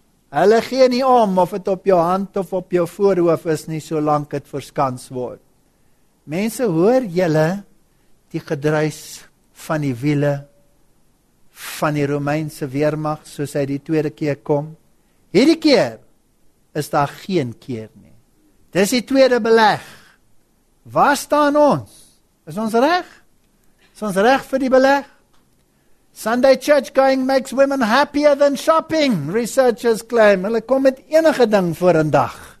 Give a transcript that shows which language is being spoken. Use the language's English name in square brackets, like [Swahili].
[Afrikaans] Hulle gee nie om of het op jou hand of op jou voorhoof is nie, solank het verskans word. Mense, hoor julle die gedruis van die wiele van die Romeinse weermag, soos hy die tweede keer kom? Hierdie keer is daar geen keer nie. Dis die tweede beleg. Waar staan ons? Is ons reg? Is ons reg vir die beleg? [English] Sunday church going makes women happier than shopping, researchers claim. [Afrikaans] Hulle kom met enige ding voor een dag.